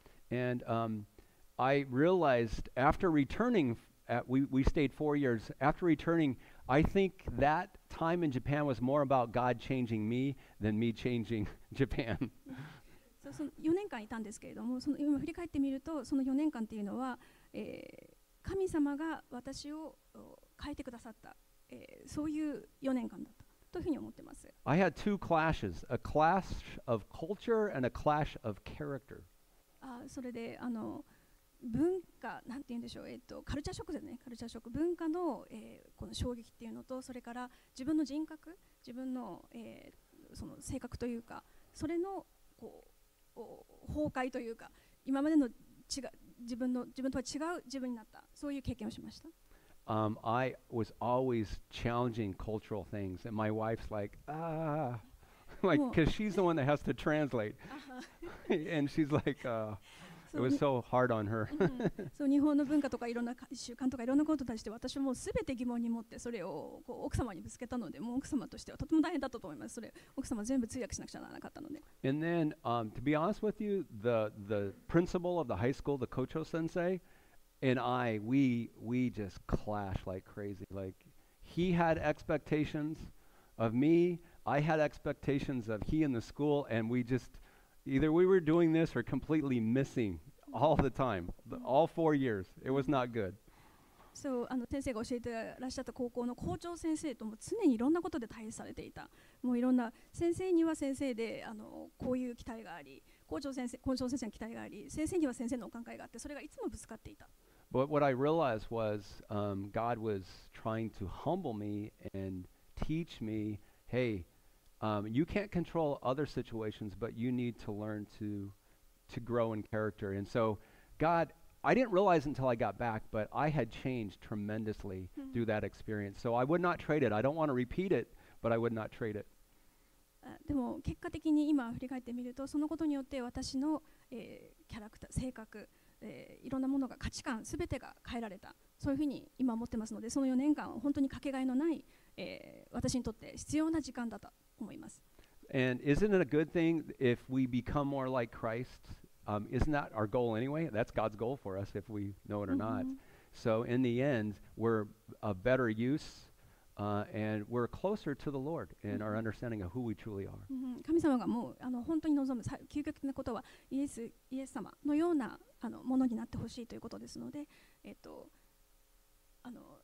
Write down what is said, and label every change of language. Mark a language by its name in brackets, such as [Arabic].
[English] And I realized after returning, we stayed 4 years. After returning, I think that time in Japan was more about God changing me than me changing Japan. [Japanese] そう、その4年間いたんですけれども、その今振り返ってみると、その4年間っていうのは、神様が私を変えてくださった、そういう4年間だった。 [English] I had two clashes, a clash of culture and a clash of character. [Japanese] それで文化、なんて言うんでしょう、カルチャーショックですね、カルチャーショック、文化の、この衝撃っていうのと、それから自分の人格、自分の、その性格というか、それのこう崩壊というか、今までの違う、自分とは違う自分になった、そういう経験をしました。 [English] I was always challenging cultural things, and my wife's like, like, because she's the one that has to translate, and she's like, it was so hard on her. [Japanese] So, 日本の文化とかいろんな習慣とかいろんなことに対して、私もすべて疑問に持ってそれをこう奥様にぶつけたので、もう奥様としてはとても大変だったと思います。それ奥様全部通訳しなくちゃならなかったので。 [English] And then, to be honest with you, the principal of the high school, the Kocho sensei. And I, we just clash like crazy. Like, he had expectations of me, I had expectations of he and the school, and we just, either we were doing this or completely missing all the time, all 4 years. It was not good. [Japanese] So, 先生が教えてらっしゃった高校の校長先生とも常にいろんなことで対応されていた。もういろんな、先生には先生でこういう期待があり、校長先生の期待があり、先生には先生のお考えがあって、それがいつもぶつかっていた。 [English] But what I realized was God was trying to humble me and teach me, hey, you can't control other situations, but you need to learn to grow in character. And so God, I didn't realize until I got back, but I had changed tremendously through that experience. So I would not trade it. I don't want to repeat it, but I would not trade it. [Japanese] でも結果的に今振り返ってみると、そのことによって私の、キャラクター、性格、いろんなものが価値観、すべてが変えられた、そういうふうに今思ってますので、その4年間は本当にかけがえのない、私にとって必要な時間だと思います。 [English] And isn't it a good thing if we become more like Christ? Isn't that our goal anyway? That's God's goal for us if we know it or not. So in the end, we're a better use And we're closer to the Lord in our understanding of who we truly are. [Japanese] 神様がもうあの本当に望む究極なことはイエス様のようなあのものになってほしいということですので、あの